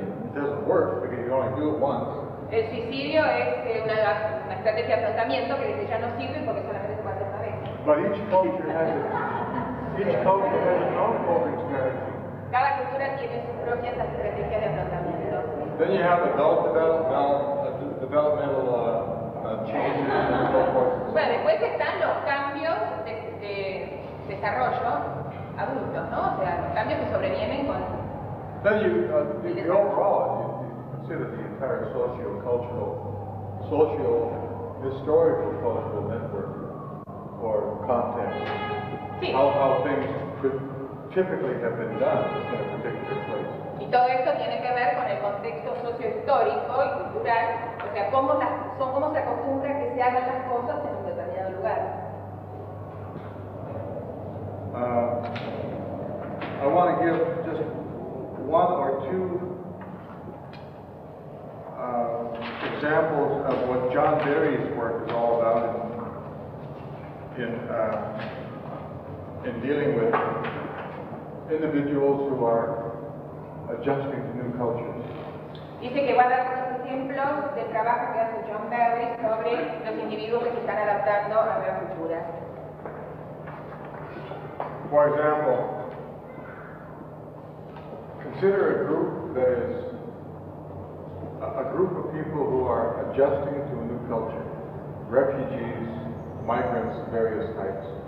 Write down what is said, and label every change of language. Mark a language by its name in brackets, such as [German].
[English] It doesn't work because you only do it once. [Spanish] El suicidio es una estrategia de afrontamiento que desde ya no sirve porque solamente se puede hacer una vez. [English] But each culture has it. Each culture has its own coping strategy. [Spanish] Cada cultura tiene sus propias estrategias de afrontamiento. [English] Then you have adult developmental changes and so forth. [Spanish] Bueno, después están los cambios de desarrollo adultos, ¿no? O sea, los cambios que sobrevienen con. [English] Then you consider the entire historical cultural network or content. How things could typically have been done in a particular place. [Spanish] Y todo esto tiene que ver con el contexto sociohistórico y cultural, o sea, cómo se acostumbra que se hagan las cosas en un determinado lugar. [English] I want to give just one or two examples of what John Berry's work is all about in dealing with individuals who are adjusting to new cultures. [Spanish] Dice que va a dar unos ejemplos del trabajo que hace John Berry sobre los individuos que se están adaptando a nuevas culturas. [English] For example, consider a group of people who are adjusting to a new culture, refugees, migrants of various types.